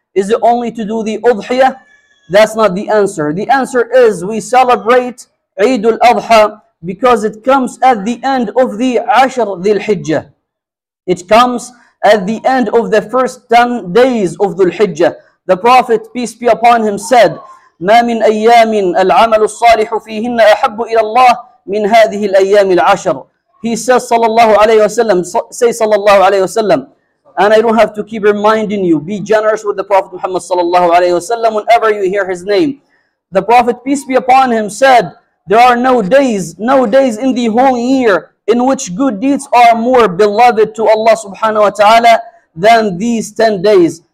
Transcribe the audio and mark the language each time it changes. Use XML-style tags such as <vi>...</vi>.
<en>Is it only to do the Udhiyah? That's not the answer. The answer is we celebrate Eid al-Adha because it comes at the end of the Ashr Dhul-Hijjah. It comes at the end of the first 10 days of Dhul-Hijjah. The Prophet, peace be upon him, said,</en> <ar>مَا مِنْ أَيَّامٍ الْعَمَلُ الصَّالِحُ فِيهِنَّ أَحَبُّ إِلَى اللَّهِ مِنْ هَذِهِ الْأَيَّامِ الْعَشْرِ.</ar> <en>He says, sallallahu alayhi wa sallam, say sallallahu alayhi wa sallam, and I don't have to keep reminding you, be generous with the Prophet Muhammad sallallahu alayhi wa sallam whenever you hear his name. The Prophet, peace be upon him, said, there are no days in the whole year in which good deeds are more beloved to Allah subhanahu wa ta'ala than these 10 days.</en>